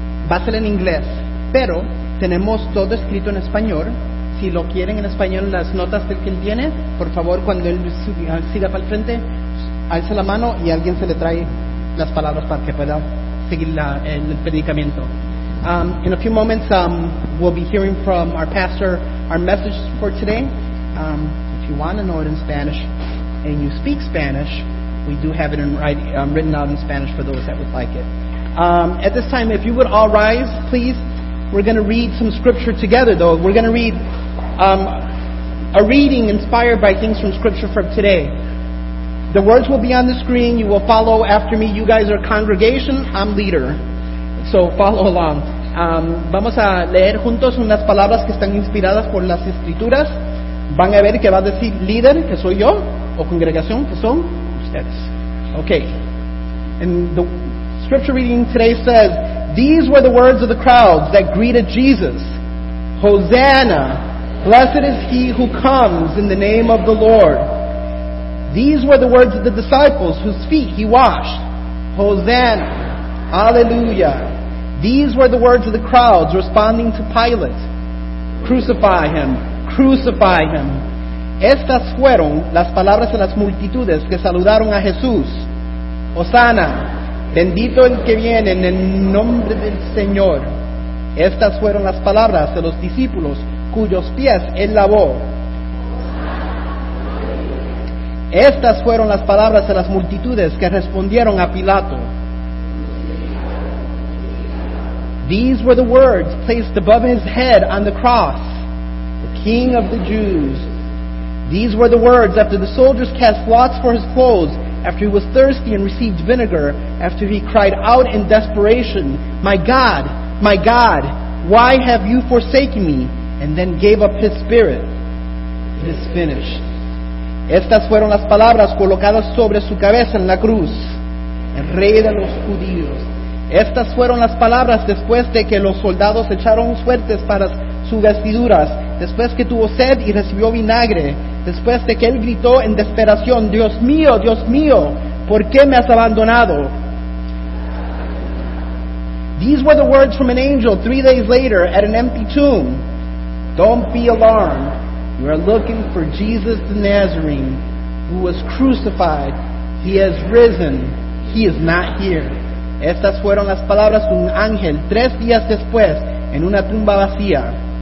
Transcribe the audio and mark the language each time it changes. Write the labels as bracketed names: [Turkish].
[Spanish] Va a ser en inglés, pero tenemos todo escrito en español. Si lo quieren en español, las notas que él tiene, por favor, cuando él siga para el frente, alce la mano y alguien se le trae las palabras para que pueda seguir el predicamiento. [English] In a few moments, we'll be hearing from our pastor our message for today. If you want to know it in Spanish and you speak Spanish, we do have it written out in Spanish for those that would like it. At this time, if you would all rise, please, we're going to read some scripture together, though. We're going to read a reading inspired by things from scripture from today. The words will be on the screen. You will follow after me. You guys are congregation. I'm leader. So follow along. [Spanish] Vamos a leer juntos unas palabras que están inspiradas por las escrituras. Van a ver que va a decir líder, que soy yo, o congregación, que son ustedes. [English] Okay. And the scripture reading today says, these were the words of the crowds that greeted Jesus. Hosanna, blessed is he who comes in the name of the Lord. These were the words of the disciples whose feet he washed. Hosanna, hallelujah. These were the words of the crowds responding to Pilate. Crucify him, crucify him. [Spanish] Estas fueron las palabras de las multitudes que saludaron a Jesús. Hosanna, bendito el que viene en el nombre del Señor. Estas fueron las palabras de los discípulos cuyos pies él lavó. Estas fueron las palabras de las multitudes que respondieron a Pilato. [English] These were the words placed above his head on the cross. The King of the Jews. These were the words after the soldiers cast lots for his clothes, after he was thirsty and received vinegar, after he cried out in desperation, my God, why have you forsaken me? And then gave up his spirit. It is finished. [Spanish] Estas fueron las palabras colocadas sobre su cabeza en la cruz. El rey de los judíos. Estas fueron las palabras después de que los soldados echaron suertes para sus vestiduras, después que tuvo sed y recibió vinagre, después de que él gritó en desesperación, Dios mío, ¿por qué me has abandonado? [English] These were the words from an angel 3 days later at an empty tomb. Don't be alarmed. You are looking for Jesus the Nazarene, who was crucified. He has risen. He is not here. [Spanish] Estas fueron las palabras de un ángel 3 días después en una tumba vacía.